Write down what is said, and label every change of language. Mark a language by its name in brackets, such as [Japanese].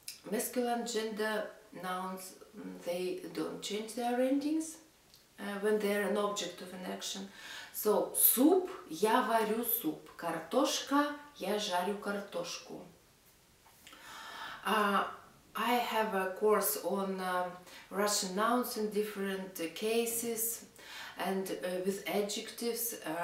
[English] Masculine gender nouns, they don't change their endings when they are an object of an action. [Russian] So, soup, я варю суп. Картошка, я жарю картошку. [English] I have a course on Russian nouns in different cases and with adjectives.